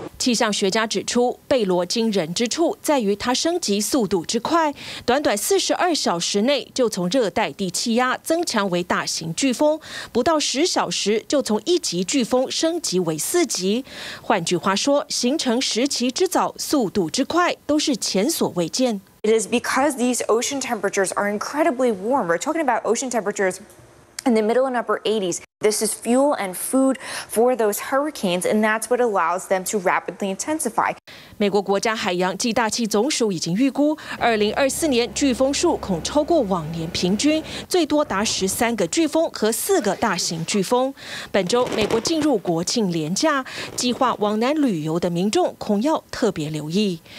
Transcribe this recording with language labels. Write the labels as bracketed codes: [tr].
[zh] 气象学家指出，贝罗惊人之处在于它升级速度之快，短短42小时内就从热带低气压增强为大型飓风，不到10小时就从一级飓风升级为4级。换句话说，形成时期之早，速度之快，都是前所未见。 [en] It is because these ocean temperatures are incredibly warm. We're talking about ocean temperatures. In the middle and upper 80s, this is fuel and food for those hurricanes, and that's what allows them to rapidly intensify. [zh] 美国国家海洋暨大气总署已经预估，2024年飓风数恐超过往年平均，最多达13个飓风和4个大型飓风。本周美国进入国庆连假，计划往南旅游的民众恐要特别留意。